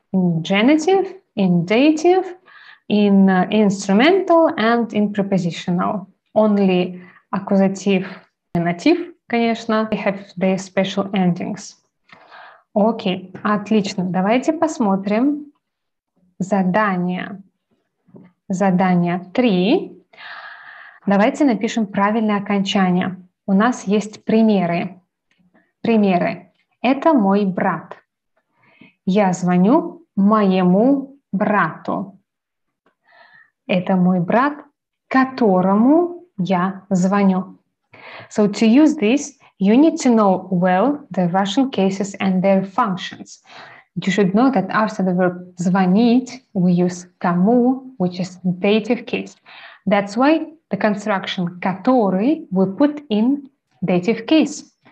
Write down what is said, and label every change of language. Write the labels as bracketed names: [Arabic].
[English] In genitive, in dative, in instrumental, and in prepositional. Only accusative, genitive, [Russian] конечно, [English] they have their special endings. [Russian] Окей, отлично. Давайте посмотрим задание. Задание 3. Давайте напишем правильное окончание. У нас есть примеры. Примеры. Это мой брат. Я звоню моему брату. Это мой брат, которому я звоню. [English] So to use this, you need to know well the Russian cases and their functions. You should know that after the verb звонить, we use кому, which is dative case. That's why the construction который we put in dative case.